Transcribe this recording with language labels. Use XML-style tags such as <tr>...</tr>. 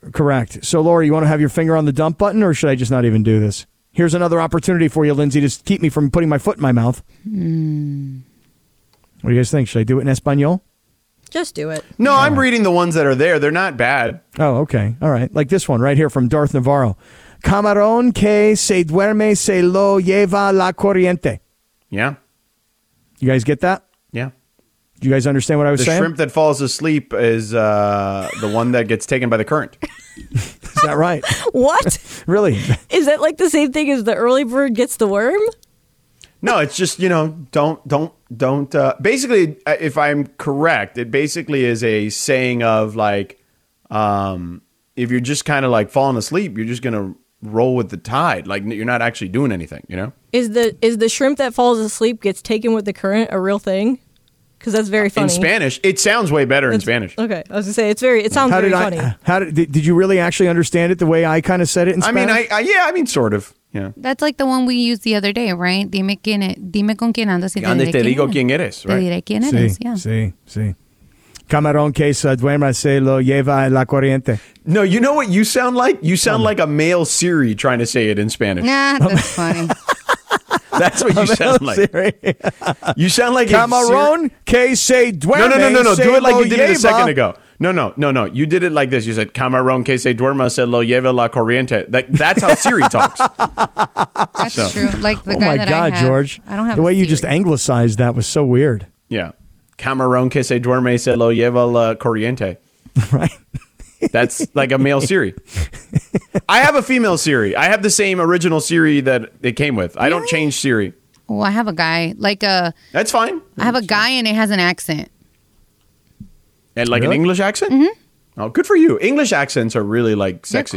<en>Correct. So, Laura, you want to have your finger on the dump button, or should I just not even do this? Here's another opportunity for you, Lindsay, to keep me from putting my foot in my mouth. Mm. What do you guys think? Should I do it in Espanol? Just do it. No, I'm reading the ones that are there. They're not bad. Oh, okay. All right. Like this one right here from Darth Navarro.</en> <es>Camarón que se duerme se lo lleva la corriente.</es> <en>Yeah. You guys get that? Yeah. Do you guys understand what I was saying? The shrimp that falls asleep is the one that gets taken by the current. Is that right? What? Really? Is that like the same thing as the early bird gets the worm? No, it's just, you know, don't. Basically, if I'm correct, it basically is a saying of like, if you're just kind of like falling asleep, you're just going to roll with the tide. Like, you're not actually doing anything, you know? Is the shrimp that falls asleep gets taken with the current a real thing? Because that's very funny. In Spanish, it sounds way better in Spanish. Okay, I was going to say, it sounds very funny. How did you really actually understand it the way I kind of said it in Spanish? I mean, sort of. Yeah. That's like the one we used the other day, right?</en> <es>Dime quién es, dime con quién andas y te diré quién eres. Digo quién eres, right? Te diré quién eres, sí. Camarón que se duerme se lo lleva la corriente.</es> <en>No, you know what you sound like? You sound like a male Siri trying to say it in Spanish. Nah, that's funny. That's what you sound like. You sound like</en> <es>Camarón que se duerme.</es> <en>No. Do it like you did it a second ago. No. You did it like this. You said,</en> <es>Camarón que se duerma se lo lleva la corriente.</es> <en>That's how Siri talks. That's so true. Like the guy that I have. Oh, my God, George. I don't have the way Siri. You just anglicized that was so weird. Yeah.</en> <es>Camarón que se duerme se lo lleva la corriente.</es> <en>Right. That's like a male Siri. I have a female Siri. I have the same original Siri that it came with. Really? I don't change Siri. Oh, I have a guy. Like a. That's fine. I have a guy and it has an accent. And like really? An English accent? Mm-hmm. Oh, good for you. English accents are really like sexy,</en>